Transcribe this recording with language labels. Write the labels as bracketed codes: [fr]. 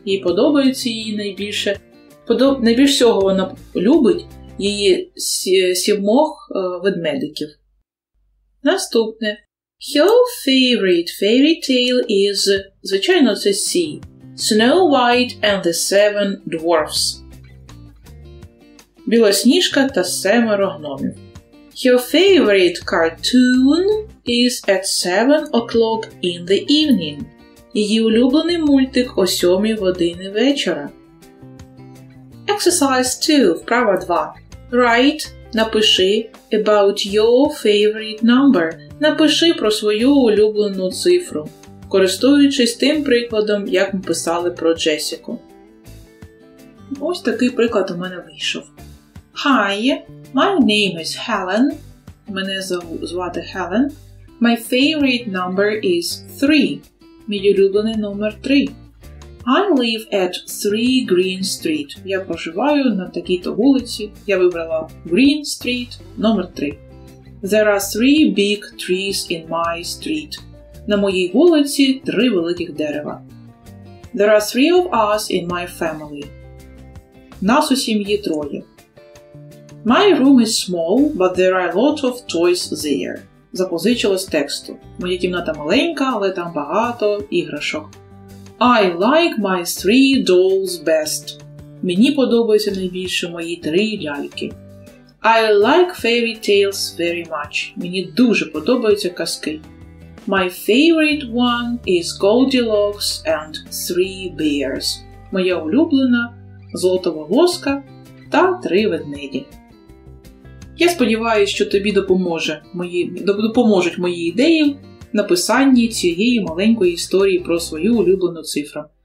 [uk] Їй подобається її найбільше. Найбільш всього вона любить її 7 ведмедиків. Наступне. [en] Her favorite fairy tale is... [uk] Звичайно, це [en] sea. Snow White and the Seven Dwarfs. [uk] Білосніжка та семеро гномів. [en] Her favorite cartoon is at 7 o'clock in the evening. [uk] Її улюблений мультик о 7 годині вечора. [en] Exercise 2, [uk] вправа 2. [en] Write, [uk] напиши [en] about your favorite number. [uk] Напиши про свою улюблену цифру. Користуючись тим прикладом, як ми писали про Джесіку. Ось такий приклад у мене вийшов. [en] Hi, my name is Helen. [uk] Мене звати Helen. [en] My favorite number is 3. [uk] Мій улюблений номер 3. [en] I live at 3 Green Street. [uk] Я проживаю на такій-то вулиці. Я вибрала Green Street номер 3. [en] There are 3 big trees in my street. [uk] На моїй вулиці 3 великих дерева. [en] There are 3 of us in my family. [uk] Нас у сім'ї 3. [en] My room is small, but there are a lot of toys there. [uk] Запозичила з тексту. Моя кімната маленька, але там багато іграшок. [en] I like my 3 dolls best. [uk] Мені подобаються найбільше мої 3 ляльки. [en] I like fairy tales very much. [uk] Мені дуже подобаються казки. [en] My favorite one is Goldilocks and Three Bears. [uk] Моя улюблена – Золота волоска та Три ведмеді. Я сподіваюся, що тобі допоможуть мої ідеї в написанні цієї маленької історії про свою улюблену цифру.